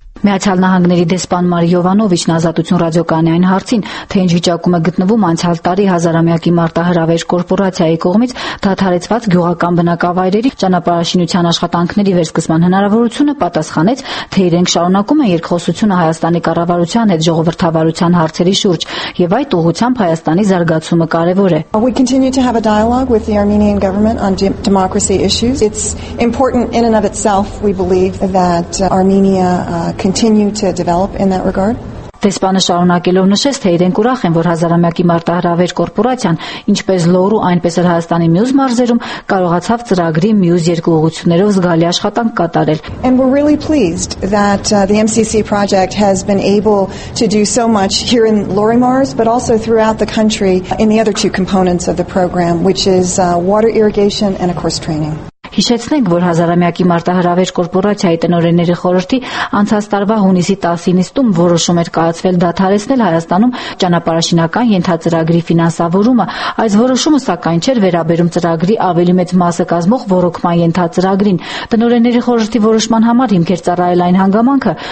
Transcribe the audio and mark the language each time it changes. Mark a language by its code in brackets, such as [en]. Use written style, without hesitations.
[hy] Միացյալ Նահանգների դեսպան Մարի Յովանովիչն Ազատություն ռադիոկանալի այն հարցին, թե ինչ վիճակում է գտնվում անցյալ տարի հազարամյակի մարտահրավեր կորպորացիայի կողմից դադարեցված գյուղական բնակավայրերի ճանապարհաշինության աշխատանքների վերսկսման հնարավորությունը, պատասխանեց, թե իրենք շարունակում են երկխոսությունը Հայաստանի կառավարության հետ ժողովրդավարության հարցերի շուրջ, և այդ ուղղությամբ Հայաստանի զարգացումը կարևոր է։ [en] We continue to have a dialogue with the Armenian government on democracy issues. It's important in and of itself, we believe, that Armenia continue to develop in that regard. [hy] Դեսպանը շարունակելով նշեց, թե իրենք ուրախ են, որ հազարամյակի մարտահրավեր կորպորացիան, ինչպես Լորու, այնպես էլ Հայաստանի մյուս մարզերում, կարողացավ ծրագրի մյուս երկու ուղղություններով զգալի աշխատանք կատարել. [en] And we're really pleased that the MCC project has been able to do so much here in Lorimars, but also throughout the country in the other two components of the program, which is water irrigation and of course training. [hy] Հիշեցնենք, որ հազարամյակի մարտահրավեր կորպորացիայի տնօրենների խորհրդի անցած տարվա հունիսի 19-ին որոշում էր կայացվել դադարեցնել Հայաստանում ճանապարհաշինական ենթածրագրի ֆինանսավորումը։ Այս որոշումը, սակայն, չէր վերաբերում ծրագրի ավելի մեծ մասը կազմող ոռոգման ենթածրագրին։ Տնօրենների խորհրդի որոշման համար հիմք էր ծառայել այն հանգամանքը,